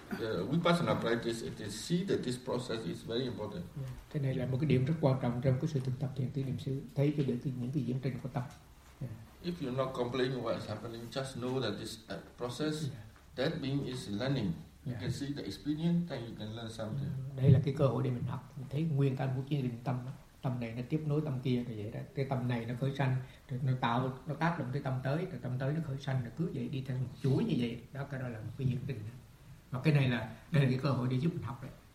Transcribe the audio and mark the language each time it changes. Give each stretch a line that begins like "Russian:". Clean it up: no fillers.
English: Vipassana practice it is see that this process is very important.
Vietnamese: Thế này là một cái điểm rất quan trọng trong cái sự thực tập thiền tứ niệm xứ, thấy cái được những cái diễn trình của tâm.
English: If you're not complaining what is happening, just know that this process, that being is learning. You can see the experience, then you can learn something.
Vietnamese: Đây là cái cơ hội để mình học, mình thấy nguyên căn của cái định tâm đó. Tâm này nó tiếp nối tâm kia rồi vậy đó, cái tâm này nó khởi sanh rồi nó tạo, nó tác động tới tâm tới, rồi tâm tới nó khởi sanh, rồi cứ vậy đi theo một chuỗi như vậy đó. Cái đó là một cái diễn trình, mà cái này là đây là cái cơ hội để giúp mình học đấy.